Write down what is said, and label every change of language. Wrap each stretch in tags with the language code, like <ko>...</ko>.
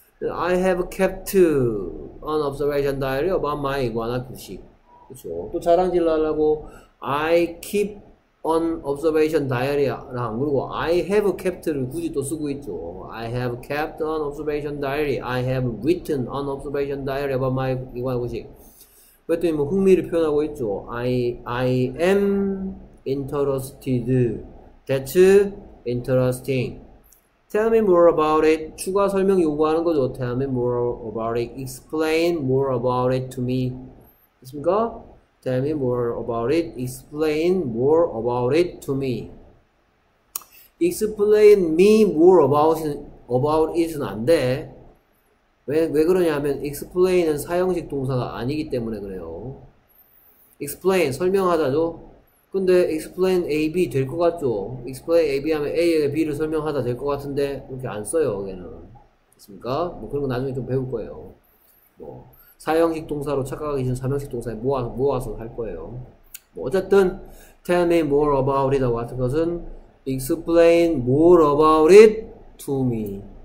<en>I have kept an observation diary about my iguana 구식.</en> <ko>그쵸. 또 자랑질하려고</ko> <en>I keep an observation diary랑</en> <ko>그리고</ko> <en>I have kept를</en> <ko>굳이 또 쓰고 있죠.</ko> <en>I have kept an observation diary. I have written an observation diary about my iguana 구식.</en> <ko>그랬더니 뭐 흥미를 표현하고 있죠.</ko> <en>I am interested. That's interesting. Tell me more about it.</en> <ko>추가 설명 요구하는 거죠.</ko> <en>Tell me more about it. Explain more about it to me.</en> <ko>됐습니까?</ko> <en>Tell me more about it. Explain more about it to me. Explain me more about it은</en> <ko>안 돼. 왜 그러냐면 explain은 사용식 동사가 아니기 때문에 그래요. Explain 설명하다죠. 근데 explain A, B 될 것 같죠? explain A, B 하면 A에 B를 설명하다 될 것 같은데 그렇게 안 써요, 얘는. 됐습니까? 뭐 그런 거 나중에 좀 배울 거예요. 뭐 사형식 동사로 착각하기 전 삼형식 동사에 모아서 할 거예요. 뭐 어쨌든</ko> <en>tell me more about it</en> <ko>같은 것은</ko> <en>explain more about it to me.</en>